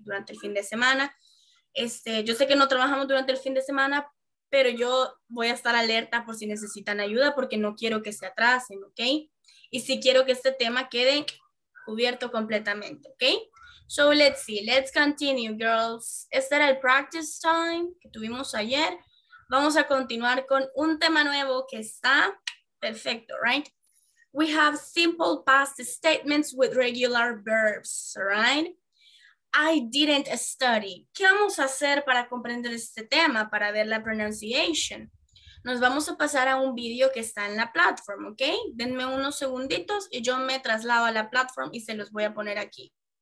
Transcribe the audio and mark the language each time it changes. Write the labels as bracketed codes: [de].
[es] Durante el fin de semana. Yo sé que no trabajamos durante el fin de semana, pero yo voy a estar alerta por si necesitan ayuda porque no quiero que se atrasen, ¿ok? Y si quiero que este tema quede cubierto completamente, ¿ok? [en] So let's see, let's continue, girls. [es] Este era el [en] practice time [es] que tuvimos ayer. Vamos a continuar con un tema nuevo que está perfecto, right? [en] We have simple past statements with regular verbs, right? I didn't study. [es] ¿Qué vamos a hacer para comprender este tema, para ver la pronunciation? Nos vamos a pasar a un video que está en la plataforma, ¿ok? Denme unos segunditos y yo me traslado a la plataforma y se los voy a poner aquí.